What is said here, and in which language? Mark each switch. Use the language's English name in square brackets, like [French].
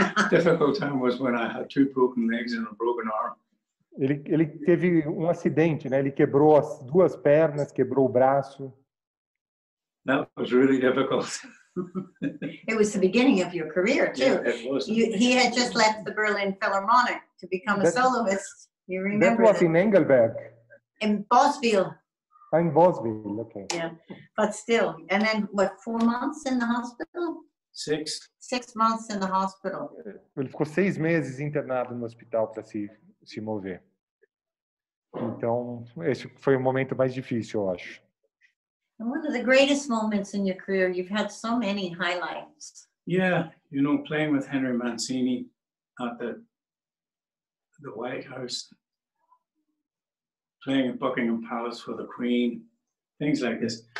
[English] Difficult time was when I had two broken legs and a broken arm. [Portuguese] Ele teve um acidente, né? Ele quebrou as duas pernas, quebrou o braço. [English] That was really difficult. It was the beginning of your career too. Yeah, it was. He had just left the Berlin Philharmonic to become a soloist. You remember that was in Engelberg. In Bosville. In Bosville, okay. Yeah, but still. And then what, 4 months in the hospital? Six months in the hospital. [Portuguese] Ele ficou 6 meses internado no hospital para se mover. Então, esse foi o momento mais difícil, eu acho. [English] One of the greatest moments in your career. You've had so many highlights. Yeah, you know, playing with Henry Mancini at the White House. playing at Buckingham Palace for the Queen, things like this.